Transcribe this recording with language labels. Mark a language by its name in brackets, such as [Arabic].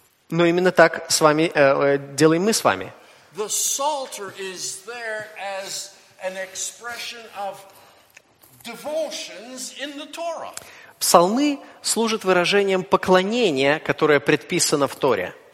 [Russian] Но именно так с вами, делаем мы с вами. [English] Псалтер is there as an expression of devotions in the Torah. [Russian] Псалмы служат выражением поклонения, которое предписано в Торе.